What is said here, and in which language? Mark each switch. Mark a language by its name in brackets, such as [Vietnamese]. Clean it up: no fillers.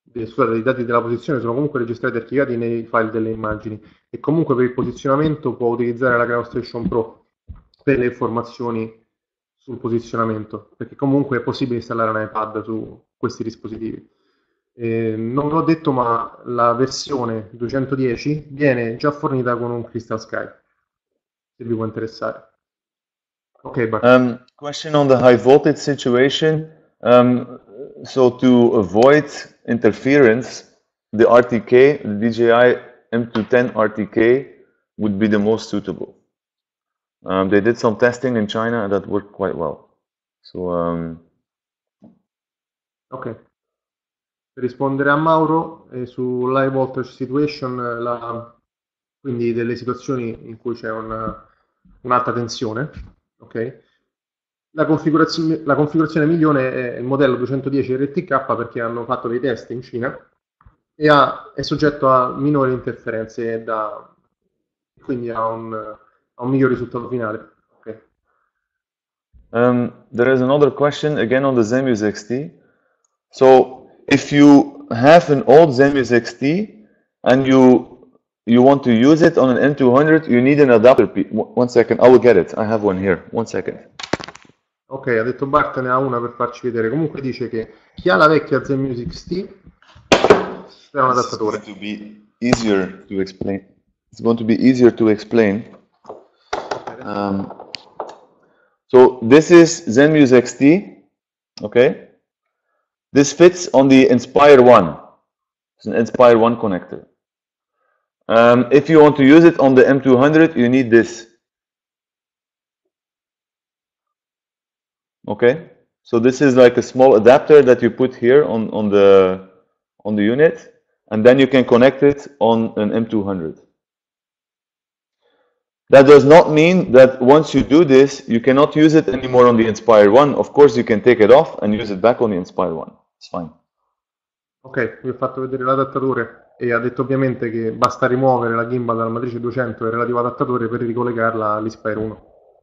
[Italian] Scusate, i dati della posizione sono comunque registrati e archiviati nei file delle immagini, e comunque per il posizionamento può utilizzare la GeoStation Pro per le informazioni sul posizionamento, perché comunque è possibile installare un iPad su questi dispositivi. Non l'ho detto, ma la versione 210 viene già fornita con un Crystal Sky, se vi può interessare. Ok, Bart. [English] Question on the high voltage situation. So to avoid interference, the RTK, the DJI M210 RTK would be the most suitable. They did some testing in China and that worked quite well. So, ok. [Italian] Per rispondere a Mauro, sull' [English] high voltage situation, [Italian] quindi delle situazioni in cui c'è un'alta tensione, ok? La configurazione migliore è il modello 210 RTK, perché hanno fatto dei test in Cina e è soggetto a minori interferenze quindi a un miglior risultato finale. [English] Okay. There is another question again on the Zenmuse XT. So if you have an old Zenmuse XT and you want to use it on an M200, you need an adapter. One second, I will get it. I have one here. One second. [Italian] Ok, ha detto Bart, ne ha una per farci vedere. Comunque dice che chi ha la vecchia Zenmuse XT è un adattatore. [English] It's going to be easier to explain. It's going to be easier to explain. So this is Zenmuse XT. Okay. This fits on the Inspire 1. It's an Inspire 1 connector. If you want to use it on the M200, you need this. Okay, so this is like a small adapter that you put here on the unit, and then you can connect it on an M200. That does not mean that once you do this, you cannot use it anymore on the Inspire 1. Of course, you can take it off and use it back on the Inspire 1. It's fine. [Italian] Ok, vi ho fatto vedere l'adattatore e ha detto ovviamente che basta rimuovere la gimbal dalla matrice 200 e il relativo adattatore per ricollegarla all'Inspire 1.